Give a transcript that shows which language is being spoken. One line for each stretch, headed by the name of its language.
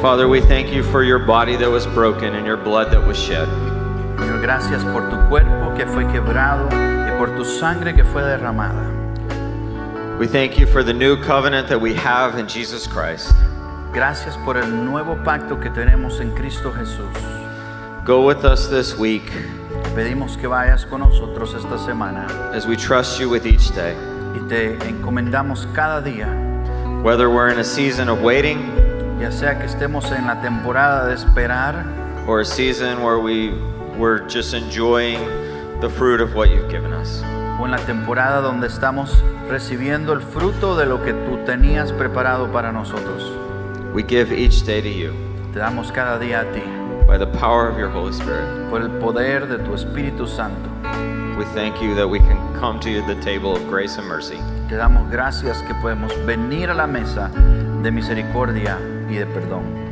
English: Father, we thank you for your body that was broken and your blood that was shed.
Spanish: Señor, gracias por tu cuerpo que fue quebrado y por tu sangre que fue derramada.
English: We thank you for the new covenant that we have in Jesus Christ.
Spanish: Gracias por el nuevo pacto que tenemos en Cristo Jesús.
English: Go with us this week.
Spanish: Pedimos que vayas con nosotros esta semana.
English: As we trust you with each day.
Spanish: Y te encomendamos cada día.
English: Whether we're in a season of waiting,
Spanish: ya sea que estemos en la temporada de esperar,
English: or a season where we're just enjoying the fruit of what you've given us.
Spanish: O en la temporada donde estamos recibiendo el fruto de lo que tú tenías preparado para nosotros.
English: We give each day to you.
Spanish: Te damos cada día a ti.
English: By the power of your Holy Spirit.
Spanish: Por el poder de tu Espíritu Santo.
English: We thank you that we can come to the table of grace and mercy.
Spanish: Te damos gracias que podemos venir a la mesa de misericordia y de perdón.